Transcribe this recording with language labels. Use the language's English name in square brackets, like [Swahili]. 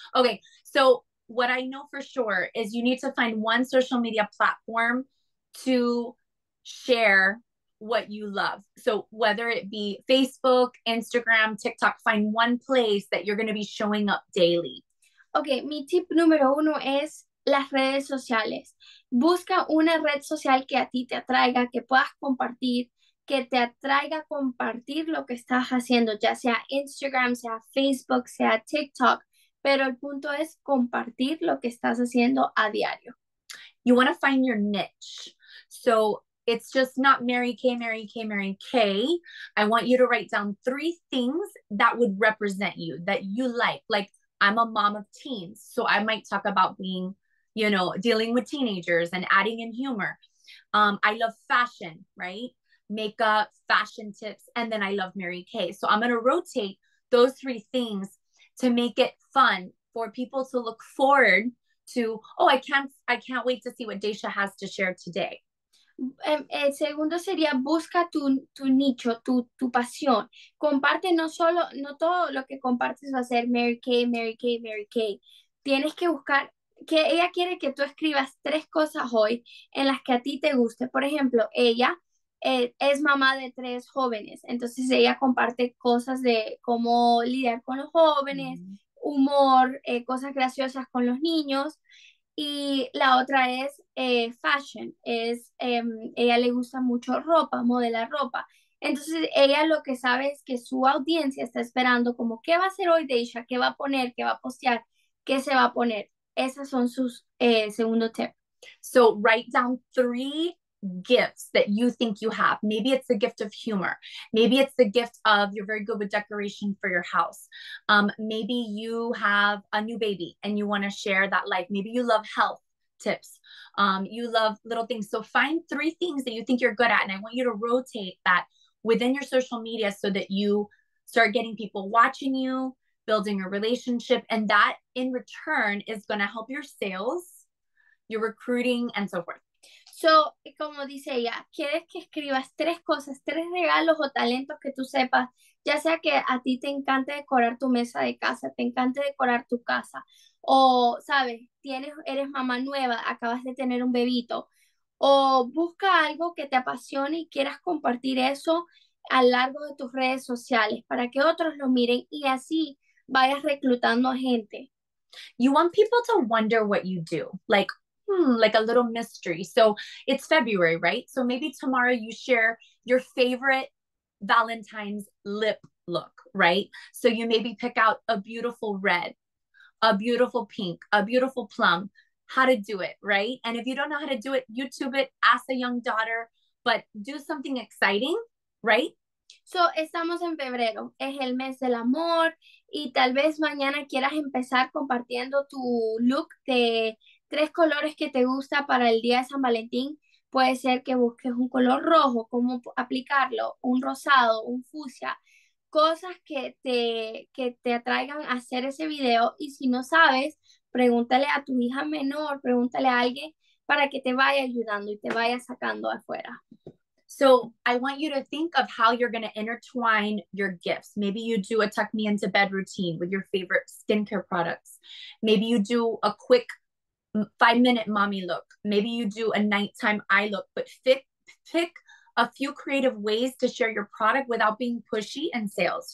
[English] Okay, so what I know for sure is you need to find one social media platform to share what you love. So whether it be Facebook, Instagram, TikTok, find one place that you're going to be showing up daily. [Spanish] Okay, mi tip número uno es las redes sociales. Busca una red social que a ti te atraiga, que puedas compartir. Que te atraiga compartir lo que estás haciendo, ya sea Instagram, sea Facebook, sea TikTok, pero el punto es compartir lo que estás haciendo a diario. [English] You want to find your niche. So it's just not Mary Kay, Mary Kay, Mary Kay. I want you to write down 3 things that would represent you, that you like. Like, I'm a mom of teens, so I might talk about being, you know, dealing with teenagers and adding in humor. I love fashion, right? Makeup, fashion tips, and then I love Mary Kay. So I'm going to rotate those 3 things to make it fun for people to look forward to. Oh, I can't wait to see what Dacia has to share today. [Spanish] El segundo sería busca tu nicho, tu pasión. Comparte no todo lo que compartes va a ser Mary Kay, Mary Kay, Mary Kay. Tienes que buscar que ella quiere que tú escribas 3 cosas hoy en las que a ti te guste. Por ejemplo, ella es mamá de 3 jóvenes, entonces ella comparte cosas de cómo lidiar con los jóvenes, humor, cosas graciosas con los niños, y la otra es fashion, ella le gusta mucho ropa, modelar ropa, entonces ella lo que sabe es que su audiencia está esperando como qué va a hacer hoy Dacia, qué va a poner, qué va a postear, qué se va a poner, esas son sus segundo tip. [English] So write down 3 gifts that you think you have. Maybe it's the gift of humor. Maybe it's the gift of you're very good with decoration for your house. Maybe you have a new baby and you want to share that life. Maybe you love health tips. You love little things. So find 3 things that you think you're good at. And I want you to rotate that within your social media so that you start getting people watching you, building a relationship. And that in return is going to help your sales, your recruiting, and so forth. [Spanish] So, como dice ella, quieres que escribas 3 cosas, 3 regalos o talentos que tú sepas, ya sea que a ti te encante decorar tu mesa de casa, te encante decorar tu casa, o, sabes, eres mamá nueva, acabas de tener un bebito, o busca algo que te apasione y quieras compartir eso a largo de tus redes sociales para que otros lo miren y así vayas reclutando gente. [English] You want people to wonder what you do, like a little mystery. So it's February, right? So maybe tomorrow you share your favorite Valentine's lip look, right? So you maybe pick out a beautiful red, a beautiful pink, a beautiful plum, how to do it, right? And if you don't know how to do it, YouTube it, ask a young daughter, but do something exciting, right? [Spanish] So estamos en febrero, es el mes del amor, y tal vez mañana quieras empezar compartiendo tu look de tres colores que te gusta para el día de San Valentín. Puede ser que busques un color rojo, cómo aplicarlo, un rosado, un fucsia, cosas que te atraigan a hacer ese video. Y si no sabes, pregúntale a tu hija menor, pregúntale a alguien para que te vaya ayudando y te vaya sacando afuera. [English] So I want you to think of how you're going to intertwine your gifts. Maybe you do a tuck me into bed routine with your favorite skincare products. Maybe you do a quick 5-minute mommy look. Maybe you do a nighttime eye look, but pick a few creative ways to share your product without being pushy in sales.